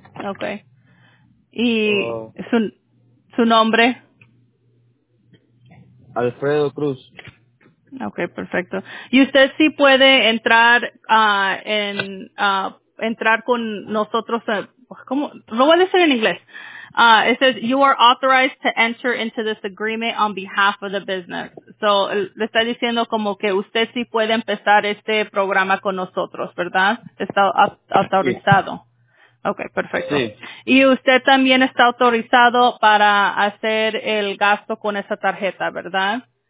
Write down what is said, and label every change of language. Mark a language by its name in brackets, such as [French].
[Spanish] Okay. ¿Y su nombre? Alfredo Cruz. Okay, perfecto. ¿Y usted sí puede entrar entrar con nosotros? ¿Cómo? ¿Lo voy a decir en inglés? [English] It says you are authorized to enter into this agreement on behalf of the business. [Spanish] So le está diciendo como que usted sí puede empezar este programa con nosotros, ¿verdad? Está autorizado. Sí. Okay, perfecto. Sí. ¿Y usted también está autorizado para hacer el gasto con esa tarjeta, verdad?